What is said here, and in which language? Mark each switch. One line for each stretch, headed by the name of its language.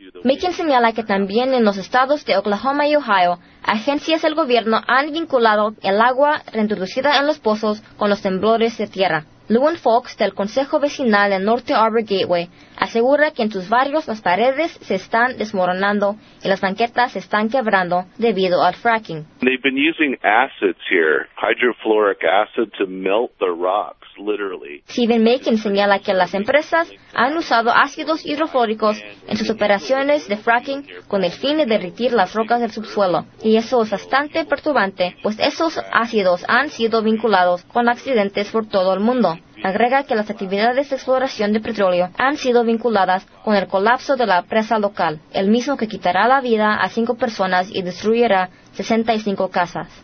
Spanish: Macon señala que también en los estados de Oklahoma y Ohio, agencias del gobierno han vinculado el agua reintroducida en los pozos con los temblores de tierra. Lewin Fox, del Consejo Vecinal del Norte Arbor Gateway, asegura que en sus barrios las paredes se están desmoronando y las banquetas se están quebrando debido al fracking.
English: They've been using acids here, hydrofluoric acid, to melt the rocks, literally.
Spanish: Stephen Macon señala que las empresas han usado ácidos hidrofluóricos en sus operaciones de fracking con el fin de derretir las rocas del subsuelo. Y eso es bastante perturbante, pues esos ácidos han sido vinculados con accidentes por todo el mundo. Agrega que las actividades de exploración de petróleo han sido vinculadas con el colapso de la presa local, el mismo que quitará la vida a 5 personas y destruirá 65 casas.